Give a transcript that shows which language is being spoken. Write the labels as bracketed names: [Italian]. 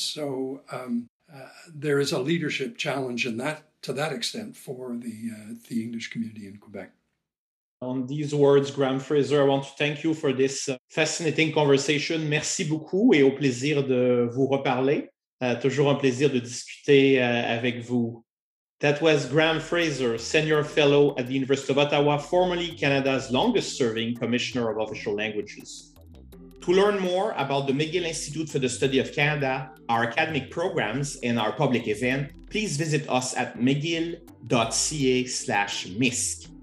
[English] So there is a leadership challenge in that to that extent for the English community in Quebec. On these words, Graham Fraser, I want to thank you for this fascinating conversation. [French] Merci beaucoup et au plaisir de vous reparler. Toujours un plaisir de discuter avec vous. [English] That was Graham Fraser, Senior Fellow at the University of Ottawa, formerly Canada's longest-serving Commissioner of Official Languages. To learn more about the McGill Institute for the Study of Canada, our academic programs, and our public event, please visit us at mcgill.ca/MISC.